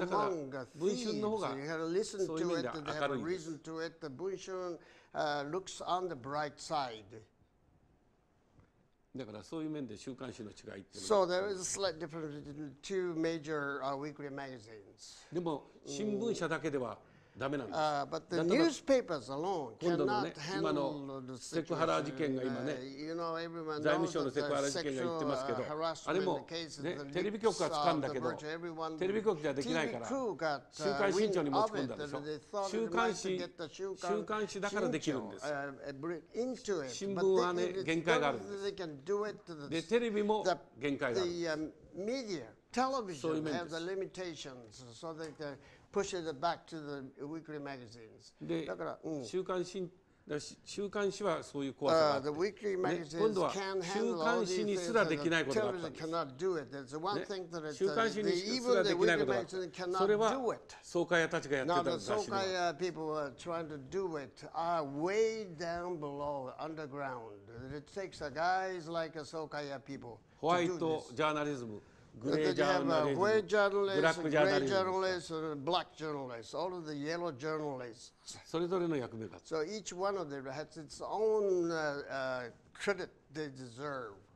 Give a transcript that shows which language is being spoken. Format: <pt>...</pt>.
<ja>だから文春の方がそういう意味で明るいんです。</ja> <en>文春 looks on the bright side。</en> <ja>だからそういう面で週刊誌の違いっていうの</ja> <en>は、 So there is a slight difference in two major weekly magazines.</en> <ja>でも新聞社だけではダメなんです。</ja> <en>But the newspapers alone cannot handle the situation.</en> <ja>今度のね、セクハラ事件が今ね、財務省のセクハラ事件が言ってますけど、あれもね、テレビ局が掴んだけど、テレビ局じゃできないから週刊新潮に持ち込んだでしょ。週刊誌だからできるんです。新聞はね、限界があるんです。で、テレビも限界がある。 Television そういう面です。</ja> <en>have the limitations so they can push it back to the weekly magazines.</en> <ja>で、だから、週刊誌はそういう怖さがあって、</ja> <en>the weekly magazines、</en> <ja>今度は週刊誌にすらできないことがあったんです。週刊誌にすらできないことがあった。それは総会屋たちがやってた雑誌の</ja> <en>people who are trying to do it are way down below underground. It takes guys like a 総会屋 people</en> <ja>ホワイトジャーナリズム、グレージャーナリズム、ブラックジャーナリズム、</ja> <en>ブラックジャーナリズム、all of the yellow journalists。</en> <ja>それぞれの役目が。</ja> <en>So each one of them has its own credit they deserve.</en>